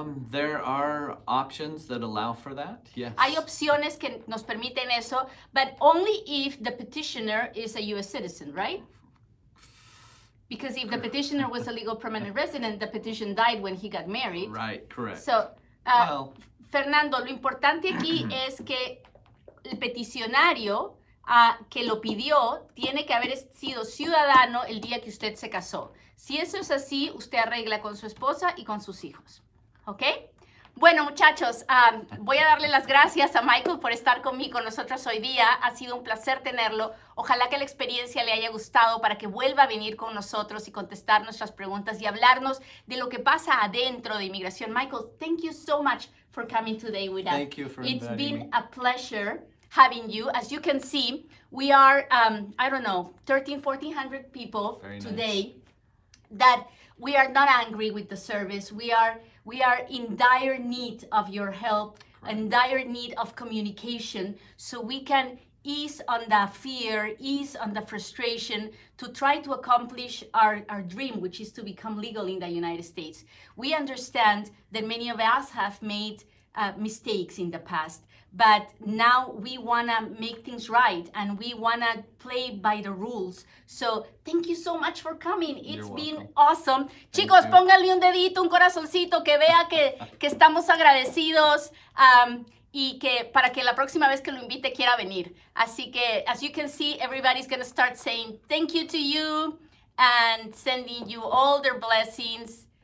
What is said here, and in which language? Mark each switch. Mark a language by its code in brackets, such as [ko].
[en] There are options that allow for that, yes. [es] Hay opciones que nos permiten eso, [en] but only if the petitioner is a U.S. citizen, right? Because if the petitioner was a legal permanent resident, the petition died when he got married. Right, correct. [es] So, Fernando, lo importante aquí es que el peticionario que lo pidió tiene que haber sido ciudadano el día que usted se casó. Si eso es así, usted arregla con su esposa y con sus hijos. ¿Ok? Bueno, muchachos, voy a darle las gracias a Michael por estar conmigo nosotros hoy día. Ha sido un placer tenerlo. Ojalá que la experiencia le haya gustado para que vuelva a venir con nosotros y contestar nuestras preguntas y hablarnos de lo que pasa adentro de inmigración. [en] Michael, thank you so much for coming today with us. Thank you for inviting me. It's been a pleasure having you. As you can see, we are, 1,400 people today. That we are not angry with the service. We are in dire need of your help, in dire need of communication, so we can ease on the fear, ease on the frustration to try to accomplish our dream, which is to become legal in the United States. We understand that many of us have made mistakes in the past, but now we wanna make things right and we wanna play by the rules. So thank you so much for coming. It's been awesome. Thank Chicos, you. [es] Pónganle un dedito, un corazoncito, que vea que estamos agradecidos. Y que para que la próxima vez que lo invite quiera venir. Así que, [en] as you can see, everybody's gonna start saying thank you to you and sending you all their blessings.